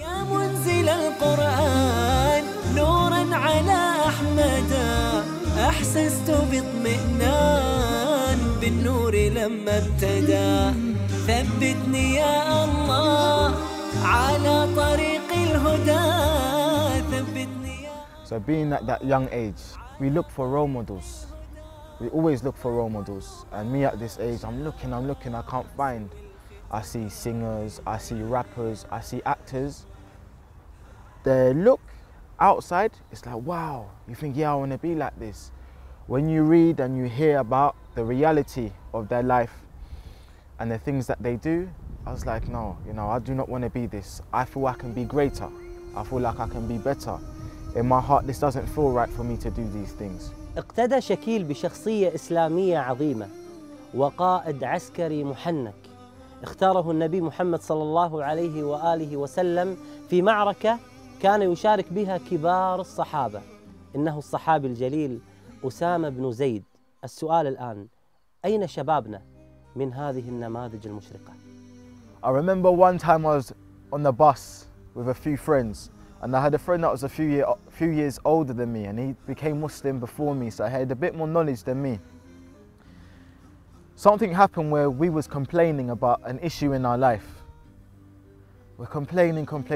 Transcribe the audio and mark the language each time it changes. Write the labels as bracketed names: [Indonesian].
[Arabic] يا منزل القرآن نورا على أحمد أحسست باطمئنان بالنور لما ابتدى ثبتني يا الله على طريق الهدى ثبتني يا الله. [English] So being at that young age, we look for role models. We always look for role models. And me at this age, I'm looking, I can't find. I see singers, I see rappers, I see actors. The look outside, it's like, wow. You think, yeah, I want to be like this. When you read and you hear about the reality of their life and the things that they do, I was like, no, you know, I do not want to be this. I feel I can be greater. I feel like I can be better. In my heart, this doesn't feel right for me to do these things. [Arabic] اقتدى شكيل بشخصية إسلامية عظيمة وقائد عسكري محنك اختاره النبي محمد صلى الله عليه وآله وسلم في معركة كان يشارك بها كبار الصحابة، إنه الصحابي الجليل أسامة بن زيد. السؤال الآن، أين شبابنا من هذه النماذج المشرقة؟ [English] I remember one time I was on the bus with a few friends and I had a friend that was a few years older than me and he became Muslim before me, so I had a bit more knowledge than me. Something happened where we was complaining about an issue in our life. We're complaining.